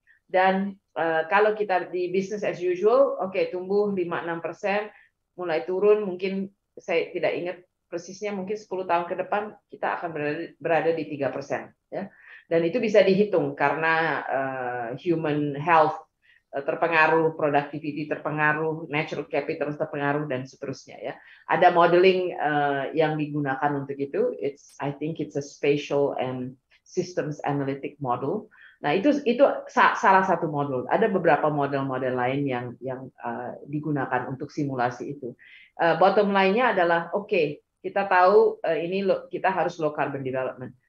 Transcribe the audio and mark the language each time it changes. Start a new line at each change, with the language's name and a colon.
Indonesian: Dan kalau kita di business as usual, oke, tumbuh 5-6%, mulai turun mungkin saya tidak ingat persisnya, mungkin 10 tahun ke depan kita akan berada di 3% ya. Dan itu bisa dihitung karena human health terpengaruh, productivity terpengaruh, natural capital terpengaruh dan seterusnya ya. Ada modeling yang digunakan untuk itu.
English: I think it's a spatial and systems analytic model.
Indonesian: Nah, itu salah satu model. Ada beberapa model-model lain yang digunakan untuk simulasi itu. Bottom line-nya adalah kita tahu kita harus low carbon development.